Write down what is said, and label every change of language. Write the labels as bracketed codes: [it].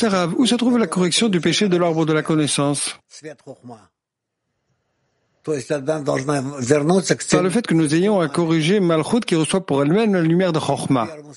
[fr] Шер Рав, où se trouve la correction du péché de l'arbre de la connaissance? [ru] То есть она должна вернуться к цели. [fr] Par le fait que nous ayons à corriger Malchut qui reçoit pour elle-même la lumière de Chochma.